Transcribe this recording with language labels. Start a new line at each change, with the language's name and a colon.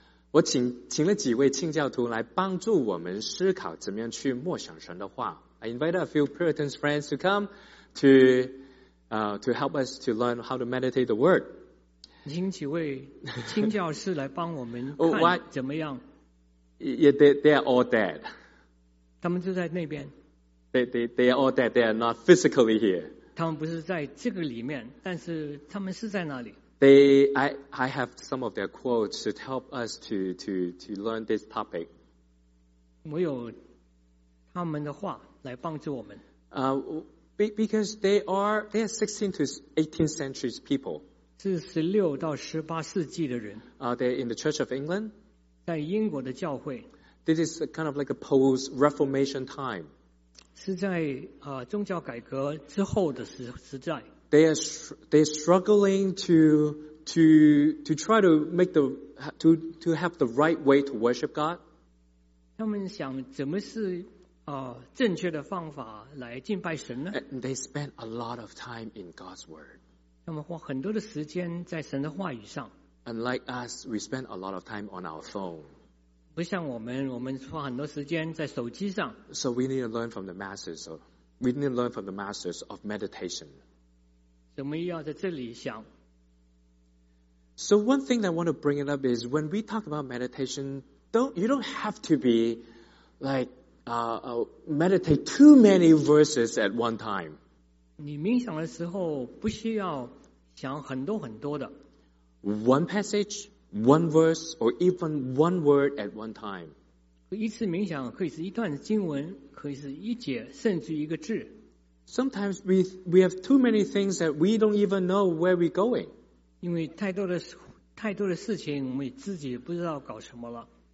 Chinese: 我请了几位清教徒来帮助我们思考怎么样去默想神的话。
English: I invited a few Puritans friends to come to help us to learn how to meditate the word.
Chinese: 请几位清教士来帮我们看怎么样。
English: They are all dead.
Chinese: 他们就在那边。
English: They are all dead. They are not physically here.
Chinese: 他们不是在这个里面，但是他们是在那里。
English: I have some of their quotes to help us to learn this topic.
Chinese: 我有他们的话来帮助我们。
English: Because they are 16th to 18th century people.
Chinese: 是十六到十八世纪的人。
English: They're in the Church of England.
Chinese: 在英国的教会。
English: This is kind of like a post-Reformation time.
Chinese: 是在宗教改革之后的时代。
English: They're struggling to try to make the to have the right way to worship God.
Chinese: 他们想怎么是正确的方法来敬拜神呢？
English: And they spend a lot of time in God's Word.
Chinese: 他们花很多的时间在神的话语上。
English: Unlike us, we spend a lot of time on our phone.
Chinese: 不像我们花很多时间在手机上。
English: So we need to learn from the masters. We need to learn from the masters of meditation.
Chinese: 怎么要在这里想
English: ？So one thing that I want to bring it up is when we talk about meditation, you don't have to be like meditate too many verses at one time.
Chinese: 你冥想的时候不需要想很多很多的。
English: One passage, one verse, or even one word at one time.
Chinese: 一次冥想可以是一段经文，可以是一节，甚至一个字。
English: Sometimes we have too many things that we don't even know where we're going.
Chinese: 因为太多的事情，我们自己不知道搞什么了。